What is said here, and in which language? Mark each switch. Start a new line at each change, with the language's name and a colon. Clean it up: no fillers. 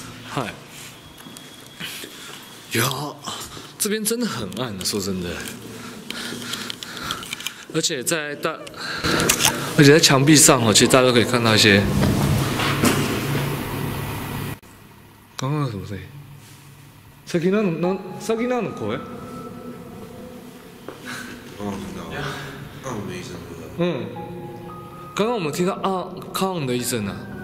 Chinese: 嗨，有。这边真的很暗的，说真的，而且在墙壁上其实大家都可以看到一些。刚刚什么声音？
Japanese: さっきなの、さっきなの声？
Chinese: 刚刚听到“抗”的一声，对吧？嗯，刚刚我们听到“啊，抗”的一声呢。